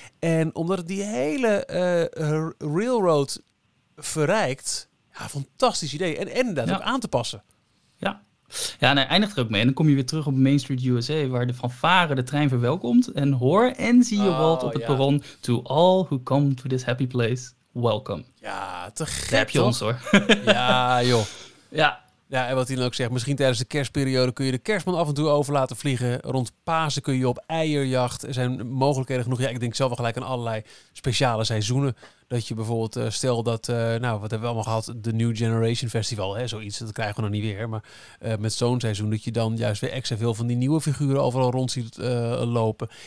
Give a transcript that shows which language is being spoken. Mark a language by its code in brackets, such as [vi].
[nl] En omdat het die hele railroad verrijkt. Ja, fantastisch idee. En inderdaad ook aan te passen. Ja, en hij eindigt er ook mee. En dan kom je weer terug op Main Street USA, waar de fanfare de trein verwelkomt. En hoor en zie je Walt op het perron. [en] To all who come to this happy place, welcome. [nl] Ja, te gek. Daar heb je ons, hoor. Ja, joh. Ja. Ja, en wat hij dan ook zegt, misschien tijdens de kerstperiode kun je de kerstman af en toe over laten vliegen. Rond Pasen kun je op eierjacht. Er zijn mogelijkheden genoeg. Ja, ik denk zelf wel gelijk aan allerlei speciale seizoenen. Dat je bijvoorbeeld, stel dat, wat hebben we allemaal gehad? De New Generation Festival, hè, zoiets. Dat krijgen we nog niet weer. Maar met zo'n seizoen, dat je dan juist weer extra veel van die nieuwe figuren overal rond ziet lopen.